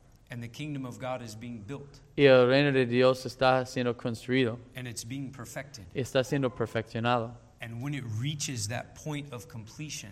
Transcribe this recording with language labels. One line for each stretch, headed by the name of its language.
English: And the kingdom of God is being built.
Spanish: Y el reino de Dios está siendo construido.
English: And it's being perfected.
Spanish: Está siendo perfeccionado.
English: And when it reaches that point of completion.